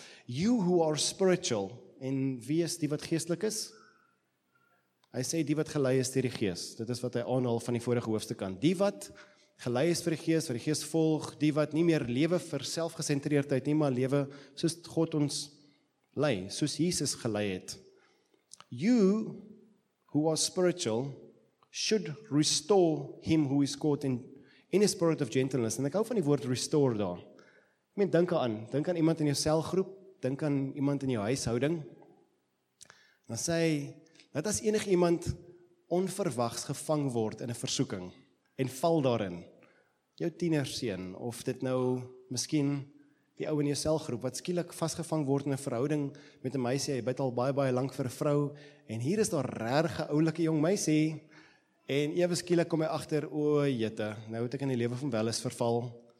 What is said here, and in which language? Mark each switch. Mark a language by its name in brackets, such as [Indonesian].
[English] You who are spiritual, [Afrikaans] en wie is die wat geestelik is? Hy sê die wat gelei is deur die gees. Dit is wat hy aanhaal van die vorige hoofstuk aan. Die wat gelei is vir die gees, vir die gees volg, die wat nie meer lewe vir selfgesentreerdheid nie, maar lewe soos God ons lei, soos Jesus gelei het. [English] You who are spiritual should restore him who is caught in a spirit of gentleness. [Afrikaans] En ek hou van die woord restore daar. Ek meen, dink aan iemand in jou selgroep, dink aan iemand in jou huishouding. Dan sê hy, dat as enige iemand onverwags gevang word in 'n versoeking en val daarin, jou tienerseun, of dit nou miskien die ou in jou selgroep, wat skielik vasgevang word in 'n verhouding met 'n meisie, hy bid al baie, baie lank vir 'n vrou, en hier is daar regtig 'n oulike jong meisie, en ewe skielik kom hy agter, o jette, nou het ek in die lewe van Welis verval.